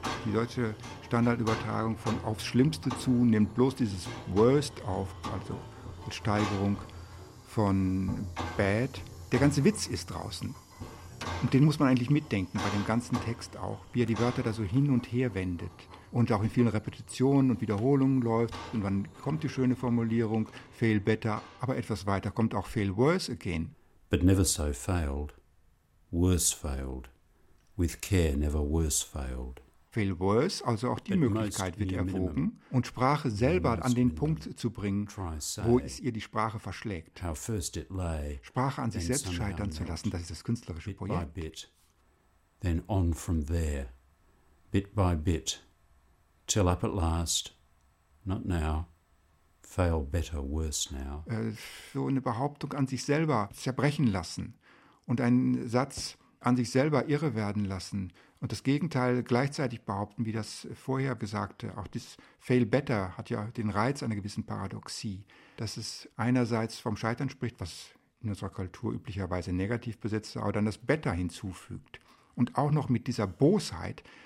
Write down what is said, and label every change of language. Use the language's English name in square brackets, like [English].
[German] Die deutsche Standardübertragung von aufs Schlimmste zu nimmt bloß dieses Worst auf, also mit Steigerung von Bad. Der ganze Witz ist draußen. Und den muss man eigentlich mitdenken bei dem ganzen Text auch, wie er die Wörter da so hin und her wendet und auch in vielen Repetitionen und Wiederholungen läuft. Und wann kommt die schöne Formulierung, [English] fail better, [German] aber etwas weiter kommt auch [English] fail worse again. But never so failed, worse failed, with care never worse failed. Fail worse, [German] also auch die Möglichkeit wird erwogen. Und Sprache selber an den Punkt zu bringen, wo es ihr die Sprache verschlägt. Sprache an sich selbst scheitern zu lassen, das ist das künstlerische Projekt. [English] Then on from there, bit by bit, till up at last, not now, fail better, worse now. [German] So eine Behauptung an sich selber zerbrechen lassen und einen Satz an sich selber irre werden lassen, und das Gegenteil gleichzeitig behaupten, wie das vorher Gesagte, auch das Fail Better hat ja den Reiz einer gewissen Paradoxie, dass es einerseits vom Scheitern spricht, was in unserer Kultur üblicherweise negativ besetzt ist, aber dann das Better hinzufügt. Und auch noch mit dieser Bosheit,